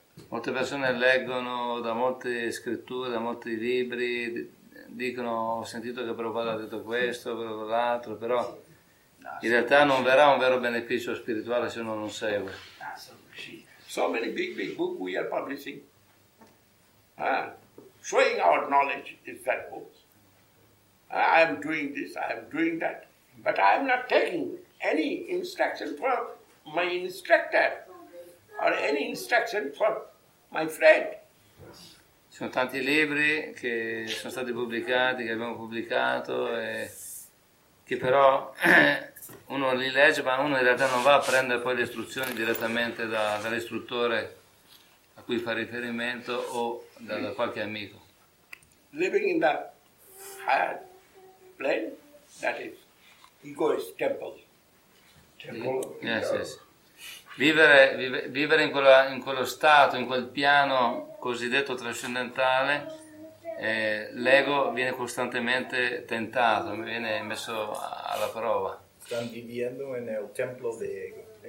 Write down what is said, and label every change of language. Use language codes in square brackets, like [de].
[it] Molte persone leggono da molte scritture, da molti libri, dicono, ho sentito che Prabhupada ha detto questo, quello, l'altro, però in realtà non verrà un vero beneficio spirituale se uno non segue. [en] So many big book we are publishing. Showing our knowledge is that books. I am doing this, I am doing that, but I am not taking any instruction from my instructor or any instruction from my friend. [it] Ci sono tanti libri che sono stati pubblicati, che abbiamo pubblicato, e che però uno li legge, ma uno in realtà non va a prendere poi le istruzioni direttamente dall'istruttore a cui fa riferimento o da qualche amico. [en] Living in the higher plane, that is ego's temple. Yes. [it] Vivere in quello stato, in quel piano cosiddetto trascendentale, l'ego viene costantemente tentato, viene messo alla prova. Stanno vivendo nel templo dell'ego.